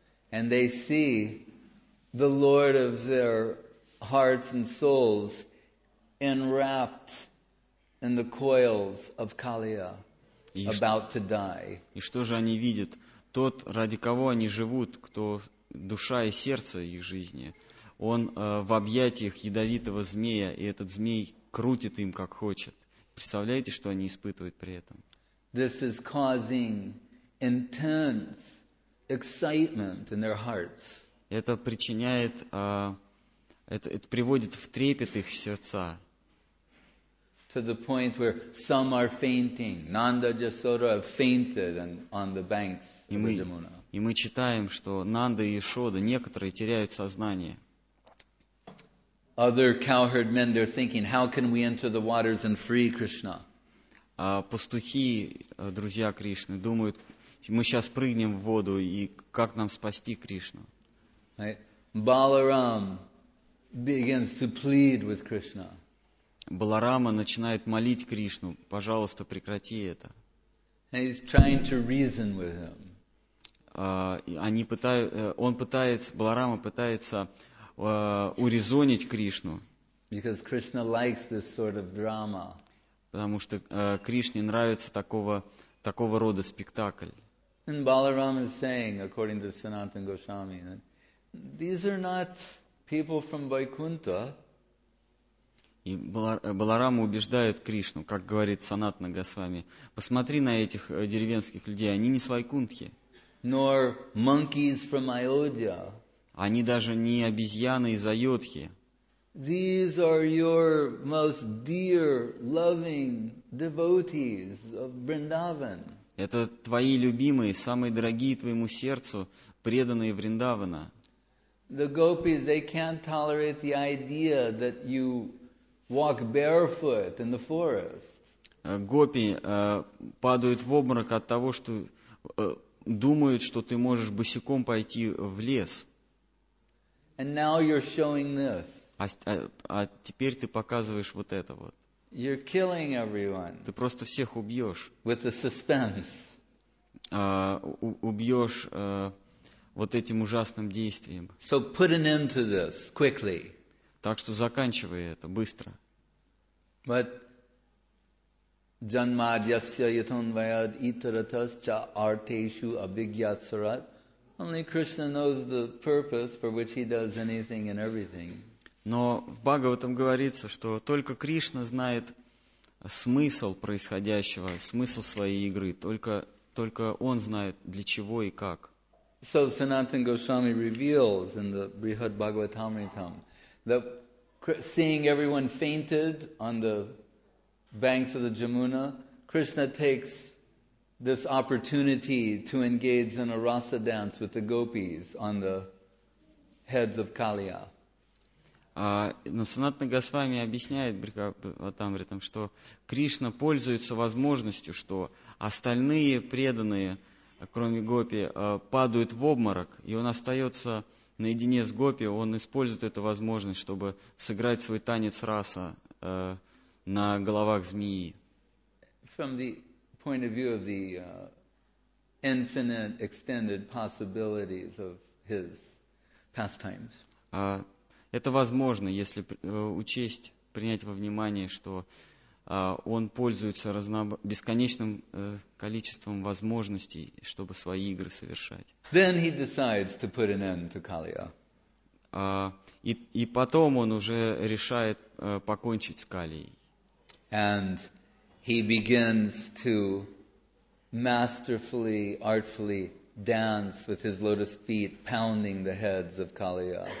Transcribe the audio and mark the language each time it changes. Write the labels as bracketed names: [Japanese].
[English] And they see the Lord of their hearts and souls enwrapped in the coils of Kaliya, about to die. [Russian] И что же они видят? Тот, ради кого они живут, кто душа и сердце их жизни, он в объятиях ядовитого змея, и этот змей крутит им, как хочет. Представляете, что они испытывают при этом? [English] This is causing intense excitement in their hearts. [Russian] Это причиняет, это приводит в трепет их сердца. [English] To the point where some are fainting. Nanda Yashoda fainted on the banks of Yamuna. [Russian] И мы читаем, что Нанда и Яшода, некоторые теряют сознание. [English] Other cowherd men, they're thinking, how can we enter the waters and free Krishna? [Russian] А пастухи, друзья Кришны, думают, мы сейчас прыгнем в воду, и как нам спасти Кришну? [English] Right. Баларам begins to plead with Krishna. [Russian] Баларама начинает молить Кришну, пожалуйста, прекрати это. [English] And he's trying to reason with him. [Russian] Баларама пытается урезонить Кришну. [English] Because Krishna likes this sort of drama. [Russian] Потому что Кришне нравится такого рода спектакль. [English] And Balaram is saying, according to Sanatana Goswami, that these are not people from Vaikuntha. [Russian] И Баларама убеждает Кришну, как говорит Санатана Госвами, посмотри на этих деревенских людей, они не с Вайкунтхи. [English] Nor monkeys from Ayodhya. [Russian] Они даже не обезьяны из Айодхи. [English] These are your most dear, loving devotees of Vrindavan. [Russian] Это твои любимые, самые дорогие твоему сердцу, преданные Вриндавана. [English] The gopis, they can't tolerate the idea that you walk barefoot in the forest. [Russian] Гопи падают в обморок от того, что думают, что ты можешь босиком пойти в лес. [English] And now you're showing this. [Russian] А теперь ты показываешь вот это вот. [English] You're killing everyone. [Russian] Ты просто всех убьешь. [English] With the suspense. [Russian] Убьешь вот этим ужасным действием. [English] So put an end to this quickly. [Russian] Так что заканчивай это быстро. [Sanskrit] But janmadyasya yatanvayad itaratascha arteshu abhigyatsarat. [English] Only Krishna knows the purpose for which he does anything and everything. [Russian] Но в Бхагаватам говорится, что только Кришна знает смысл происходящего, смысл своей игры. Только он знает для чего и как. [English] So Sanatana Goswami reveals in the Brihad Bhagavatamritam that seeing everyone fainted on the banks of the Jamuna, Krishna takes this opportunity to engage in a rasa dance with the gopis on the heads of Kaliya. [Russian] Но Санатана Госвами объясняет Брихадбхагаватамритам, что Кришна пользуется возможностью, что остальные преданные, кроме гопи, падают в обморок, и он остается наедине с гопи, он использует эту возможность, чтобы сыграть свой танец раса на головах змеи. [English] From the point of view of the infinite extended possibilities of his pastimes. [Russian] Это возможно, если учесть, принять во внимание, что он пользуется бесконечным количеством возможностей, чтобы свои игры совершать. [English] Then he decides to put an end to Kaliya. [Russian] И потом он уже решает покончить с Калией. [English] And he begins to masterfully, artfully dance with his lotus feet, pounding the heads of Kaliya.